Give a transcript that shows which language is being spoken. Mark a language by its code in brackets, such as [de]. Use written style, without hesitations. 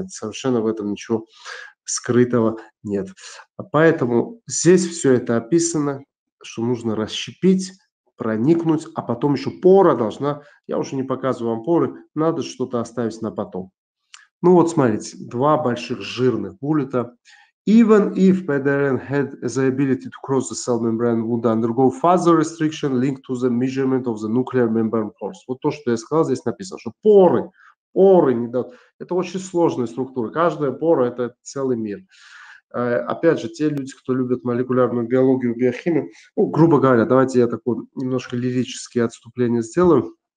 [ru] Это совершенно в этом ничего скрытого нет. Поэтому здесь все это описано, что нужно расщепить, проникнуть, а потом еще пора должна, я уже не показываю вам поры, надо что-то оставить на потом. Ну вот смотрите, два больших жирных буллета. [en] Even if PDRN had the ability to cross the cell membrane, would undergo further restriction linked to the measurement of the nuclear membrane pores. [ru] Вот то, что я сказал, здесь написано, что поры, поры не дают. Это очень сложная структура. Каждая пора – это целый мир. Опять же, те люди, кто любят молекулярную биологию, биохимию, ну, грубо говоря, давайте я такое немножко лирическое отступление сделаю.